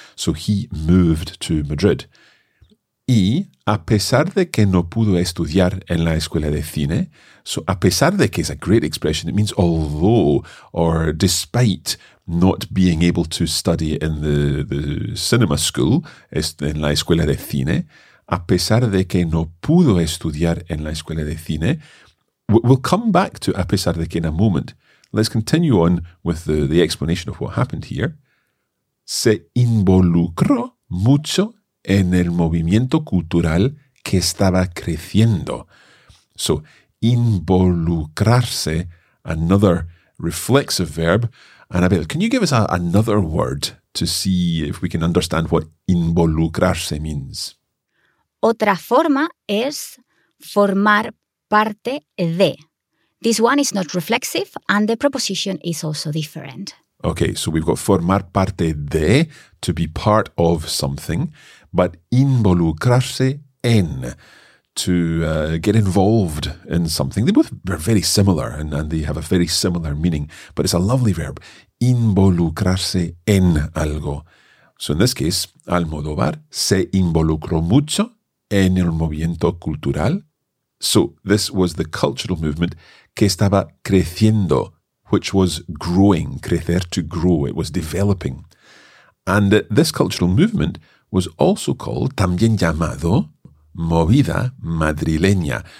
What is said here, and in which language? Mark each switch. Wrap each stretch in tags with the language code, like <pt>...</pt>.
<en>So he moved to Madrid.</en> <es>Y a pesar de que no pudo estudiar en la escuela de cine,</es> <en>so a pesar de que is a great expression, it means although or despite not being able to study in the cinema school,</en> <es>en la escuela de cine, a pesar de que no pudo estudiar en la escuela de cine,</es> <en>we'll come back to</en> <es>a pesar de que</es> <en>in a moment. Let's continue on with the explanation of what happened here.</en> <es>Se involucró mucho en el movimiento cultural que estaba creciendo.</es> <en>So, involucrarse, another reflexive verb. Anabel, can you give us another word to see if we can understand what involucrarse means?</en> <es>Otra forma es formar parte de.</es> <en>This one is not reflexive and the preposition is also different. Okay, so we've got</en> <es>formar parte de,</es> <en>to be part of something, but</en> <es>involucrarse en,</es> <en>to get involved in something. They both are very similar and they have a very similar meaning, but it's a lovely verb,</en> <es>involucrarse en algo.</es> <en>So in this case,</en> <es>Almodóvar se involucró mucho en el movimiento cultural.</es> <en>So this was the cultural movement</en> <es>que estaba creciendo,</es> <en>which was growing, crecer, to grow, it was developing. And this cultural movement was also called,</en> <es>también llamado, movida madrileña.</es>